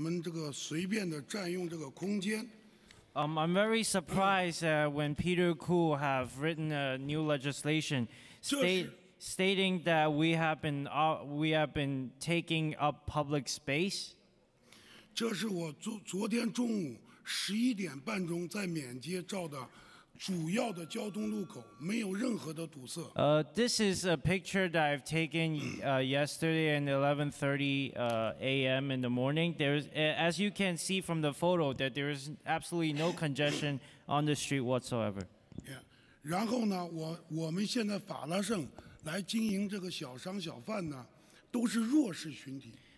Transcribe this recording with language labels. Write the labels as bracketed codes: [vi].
[zh] 然后我看到顾亚明先生的这个提案呢，我很吃惊。为什么呢？他第一条就说是我们这个随便的占用这个空间。 [en] I'm very surprised when Peter Ku have written a new legislation stating that we have been taking up public space. [zh] 这是我昨天中午11点半钟在缅街照的主要的交通路口，没有任何的堵塞。 [en] This is a picture that I've taken yesterday at 11:30 a.m. in the morning. As you can see from the photo, that there is absolutely no congestion on the street whatsoever. Yeah. [zh] 然后呢，我们现在法拉盛来经营这个小商小贩呢，都是弱势群体。